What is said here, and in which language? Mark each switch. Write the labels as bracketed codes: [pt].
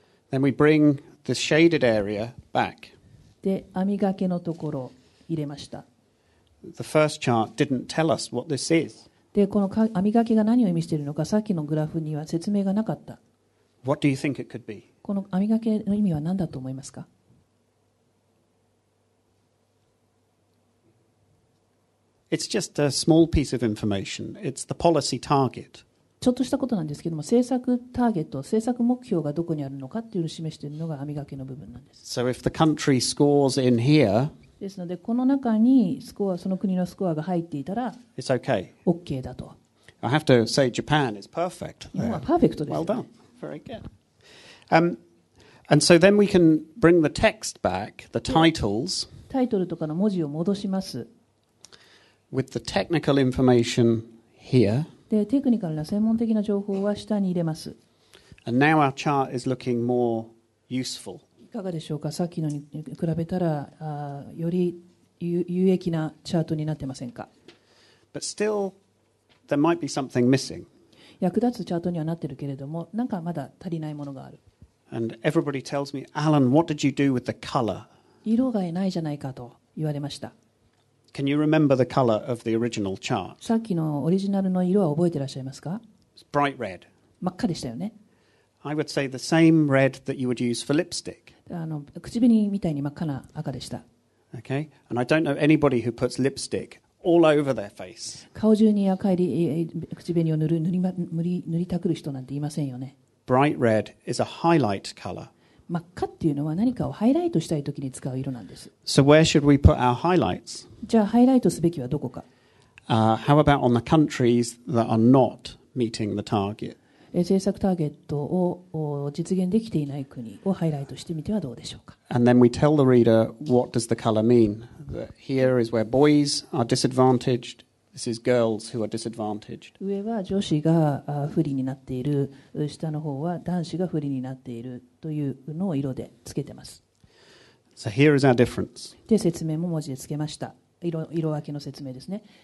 [en] Then we bring the shaded area back. [ja] で、網掛けのところ入れました。 [en] The first chart didn't tell us what this is. [ja] で、この網掛けが何を意味しているのか、さっきのグラフには説明がなかった。 [en] What do you think it could be? [ja] この網掛けの意味は何だと思いますか？ [en] It's just a small piece of information. It's the policy target. [ja] ちょっとしたことなんですけども、政策ターゲット、政策目標がどこにあるのかっていうのを示しているのが網掛けの部分なんです。 [en] So if the country scores in here, [ja] ですので、この中にスコア、その国のスコアが入っていたら、 [en] It's okay. [ja] OK だと。 [en] I have to say Japan is perfect. [ja] 日本はパーフェクトです。 [en] Well done. Very good. And so then we can bring the text back, the titles. [ja] タイトルとかの文字を戻します。 [en] With the technical information here. [ja] で、テクニカルな専門的な情報は下に入れます。 [en] And now our chart is looking more useful. [ja] かがでしょうか。さっきのに比べたらより有益なチャートになってませんか。 [en] But still, there might be something missing. [ja] 役立つチャートにはなってるけれども、なんかまだ足りないものがある。 [en] And everybody tells me, Alan, what did you do with the color? [ja] 色がないじゃないかと言われました。 [en] Can you remember the color of the original chart? [ja] さっきのオリジナルの色は覚えてらっしゃいますか。 [en] It's bright red. [ja] 真っ赤でしたよね。 [en] I would say the same red that you would use for lipstick. [ja] 口紅みたいに真っ赤な赤でした。 [en] Okay, and I don't know anybody who puts lipstick all over their face. [ja] 顔中に赤い口紅を塗りたくる人なんていませんよね。 [en] Bright red is a highlight color. [ja] 真っ赤っていうのは何かをハイライトしたいときに使う色なんです。 [en] So where should we put our highlights? [ja] じゃあハイライトすべきはどこか。 [en] How about on the countries that are not meeting the target? [ja] 政策ターゲットを実現できていない国をハイライトしてみてはどうでしょうか。 [en] And then we tell the reader what does the color mean. Here is where boys are disadvantaged. This is girls who are disadvantaged. [ja] 上は女子が不利になっている、下の方は男子が不利になっているというのを色でつけてます。 [en] So here is our difference. [ja] で、説明も文字でつけました。色分けの説明ですね。